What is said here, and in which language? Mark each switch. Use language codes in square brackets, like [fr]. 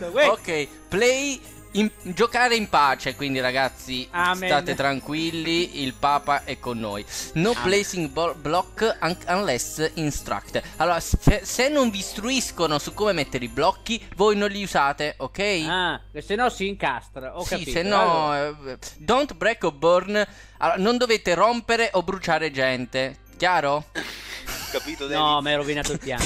[it] Ok, play in, giocare in pace, quindi ragazzi, amen. State tranquilli, il Papa è con noi. No amen. [en] Placing block unless instructed. [it] Allora, se non vi istruiscono su come mettere i blocchi, voi non li usate, ok? Ah, se no si incastra, ho sì, capito. Se no, allora. [en] Don't break or burn, [it] allora, non dovete rompere o bruciare gente, chiaro? Capito, no, mi hai rovinato il piano.